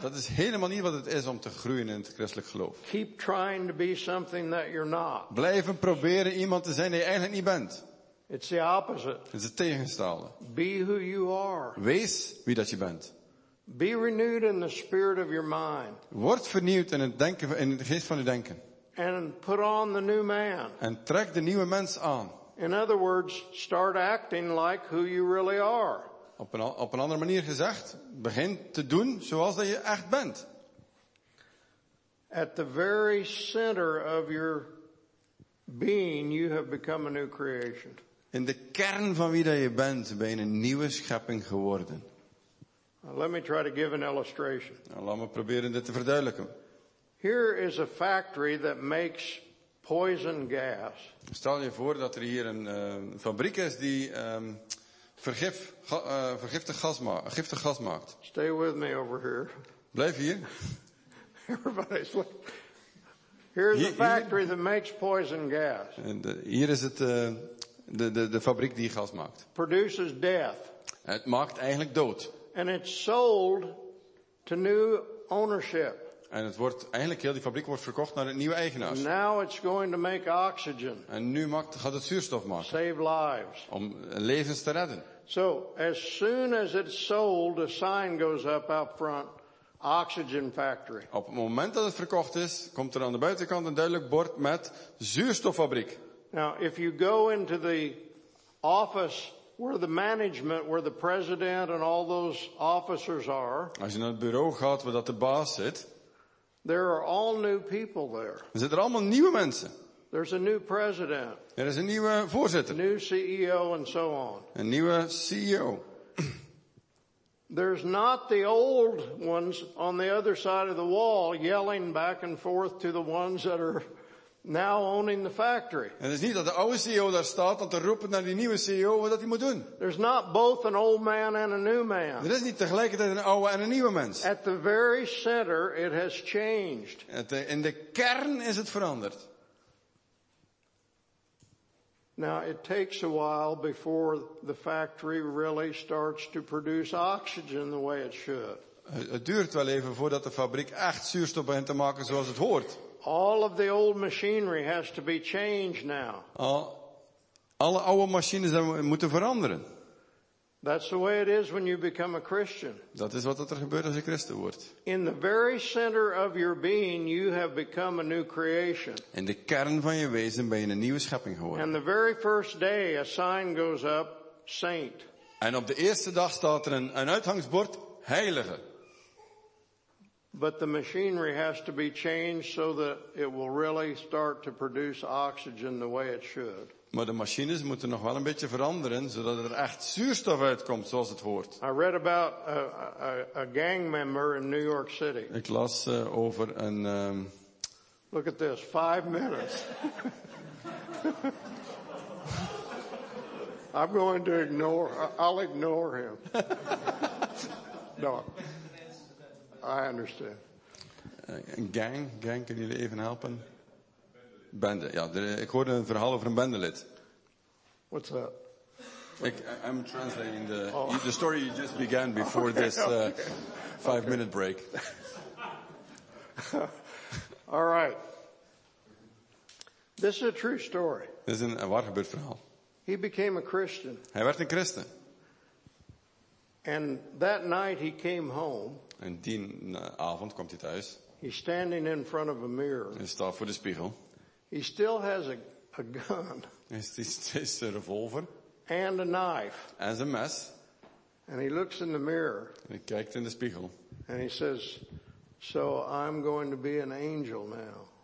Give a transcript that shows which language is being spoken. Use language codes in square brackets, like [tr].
[nl] Dat is helemaal niet wat het is om te groeien in het christelijk geloof. [en] Keep trying to be something that you're not. [nl] Blijven proberen iemand te zijn dat je eigenlijk niet bent. [en] It's the opposite. [nl] Het is het tegenstelde. [en] Be who you are. [nl] Wees wie dat je bent. [en] Be renewed in the spirit of your mind. [nl] Word vernieuwd in het denken, in de geest van je denken. [en] And put on the new man. [nl] En trek de nieuwe mens aan. [en] In other words, start acting like who you really are. [nl] Op een andere manier gezegd, begin te doen zoals dat je echt bent. [en] At the very center of your being, you have become a new creation. [nl] In de kern van wie dat je bent, ben je een nieuwe schepping geworden. [en] Let me try to give an illustration. [nl] Nou, laat me proberen dit te verduidelijken. [en] Here is a factory that makes poison gas. [nl] Stel je voor dat er hier een fabriek is die giftig gas maakt. [en] Stay with me over here. [nl] Blijf hier. [en] Everybody's looking. Here's a factory that makes poison gas. [nl] Hier is het de fabriek die gas maakt. [en] Produces death. [nl] Het maakt eigenlijk dood. [en] And it's sold to new ownership. [nl] En het wordt eigenlijk heel die fabriek wordt verkocht naar een nieuwe eigenaar. [en] Now it's going to make oxygen. [nl] En nu gaat het zuurstof maken. [en] Save lives. [nl] Om levens te redden. [en] So as soon as it's sold, a sign goes up out front. Oxygen factory. [nl] Op het moment dat het verkocht is, komt er aan de buitenkant een duidelijk bord met zuurstoffabriek. [en] Now, if you go into the office where the management, where the president and all those officers are. [nl] Als je naar het bureau gaat waar dat de baas zit. [en] There are all new people there. [nl] Er zitten allemaal nieuwe mensen. [en] There's a new president. [nl] Er is een nieuwe voorzitter. [en] New CEO and so on. [nl] Een nieuwe CEO. [en] There's not the old ones on the other side of the wall yelling back and forth to the ones that are now owning the factory. [nl] Het is niet dat de oude CEO daar staat om te roepen naar die nieuwe CEO wat dat hij moet doen. [en] There's not both an old man and a new man. [nl] Er is niet tegelijkertijd een oude en een nieuwe mens. [en] At the very center it has changed. [nl] In de kern is het veranderd. [en] Now it takes a while before the factory really starts to produce oxygen the way it should. [nl] Het duurt wel even voordat de fabriek echt zuurstof begint te maken zoals het hoort. [en] All of the old machinery has to be changed now. [nl] Alle oude machines moeten veranderen. [en] That's the way it is when you become a Christian. [nl] Dat is wat er gebeurt als je christen wordt. [en] In the very center of your being, you have become a new creation. [nl] In de kern van je wezen ben je een nieuwe schepping geworden. [en] And the very first day, a sign goes up, saint. [nl] En op de eerste dag staat er een uithangsbord, heilige. [en] But the machinery has to be changed so that it will really start to produce oxygen the way it should. [nl] Maar de machines moeten nog wel een beetje veranderen, zodat er echt zuurstof uitkomt zoals het hoort. [en] I read about a gang member in New York City. [nl] Ik las over een. [en] Look at this, 5 minutes. I'm going to ignore. I'll ignore him. No. I understand. [nl] Een gang, kunnen jullie even helpen? Bende, ja, ik hoorde een verhaal over een bendelid. [en] What's that? I'm translating the story you just began before five-minute break. All right. This is a true story. [nl] Dit is een waar gebeurd verhaal. [en] He became a Christian. [nl] Hij werd een christen. [en] And that night he came home. [nl] En die avond komt hij thuis. [en] He's standing in front of a mirror. [nl] Hij staat voor de spiegel. [en] He still has a gun. [nl] Is a revolver. [en] And a knife. [nl] As a mess. [en] And he looks in the mirror. [nl] En hij kijkt in de spiegel. [en] And he says, "So I'm going to be an angel now."